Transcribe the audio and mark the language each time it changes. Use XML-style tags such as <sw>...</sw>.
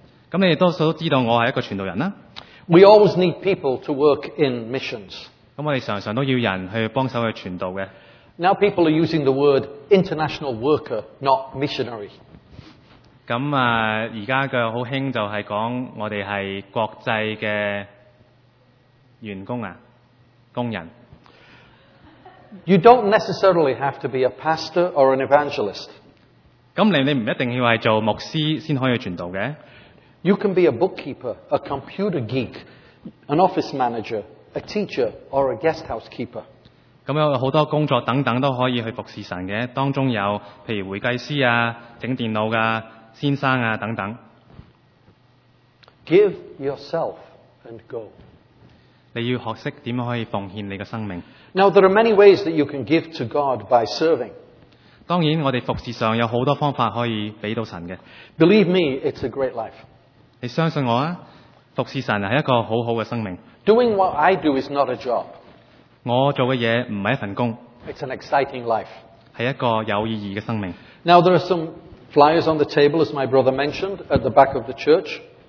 <yue>咁你多數都知道我係一個傳道人啦。</yue> <en>We always need people to work in missions.</en> <yue>咁我哋常常都要人去幫手去傳道嘅。</yue> <en>Now people are using the word international worker, not missionary.</en> <yue>咁啊，而家嘅好興就係講我哋係國際嘅員工啊，工人。</yue> <en>You don't necessarily have to be a pastor or an evangelist.</en> <yue>咁你唔一定要係做牧師先可以傳道嘅。</yue> <en>You can be a bookkeeper, a computer geek, an office manager, a teacher, or a guest housekeeper.</en> <yue>咁有好多工作等等都可以去服侍神嘅，當中有譬如會計師啊、整電腦嘅先生啊等等。</yue> <en>Give yourself and go。</en> <yue>你要學識點樣可以奉獻你嘅生命。</yue> <en>Now there are many ways that you can give to God by serving。</en> <yue>當然，我哋服侍上有好多方法可以俾到神嘅。</yue> <en>Believe me, it's a great life。</en> <yue>你相信我啊，服侍神係一個好好嘅生命。</yue> <en>Doing what I do is not a job。</en> <yue>我做嘅嘢唔係一份工。</yue> <en>It's an exciting life.</en> <yue>係一個有意義嘅生命。</yue> <en>Now there are some flyers on the table, as my brother mentioned, at the back of the church.</en>